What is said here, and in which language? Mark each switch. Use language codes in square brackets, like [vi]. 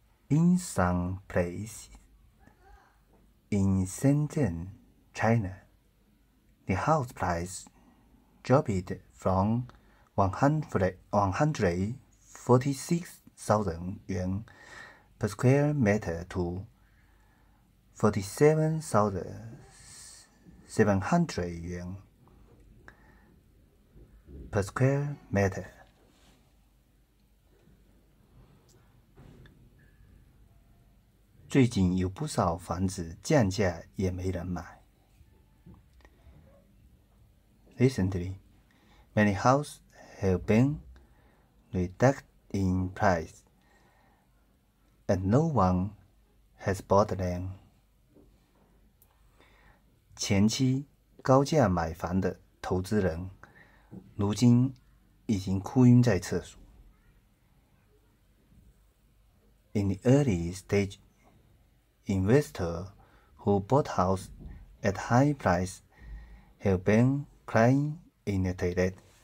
[en] In some place in Shenzhen, China, the house price dropped from 146,000 yuan per square meter to 47,700 yuan per square meter. [zh] 最近有不少房子降价也没人买。 [en] Recently, many houses have been reduced in price, and no one has bought them. [zh] 前期高价买房的投资人，如今已经哭晕在厕所。 [en] In the early stage, investors who bought houses at high price have been crying in the toilet.